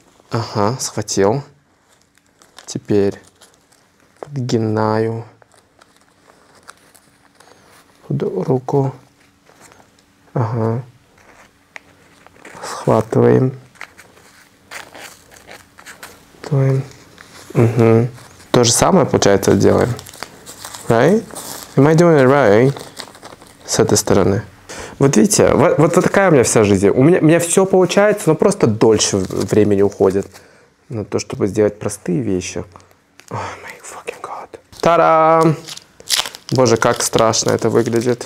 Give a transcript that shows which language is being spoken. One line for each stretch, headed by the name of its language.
Russian: Ага, схватил. Теперь подгинаю руку. Ага. Схватываем. Давай. Угу. То же самое, получается, делаем.
English: Right? Am I doing it right?
Russian: С этой стороны. Вот видите, вот такая у меня вся жизнь. У меня все получается, но просто дольше времени уходит на то, чтобы сделать простые вещи.
English: Oh my fucking god. Та-дам!
Russian: Боже, как страшно это выглядит.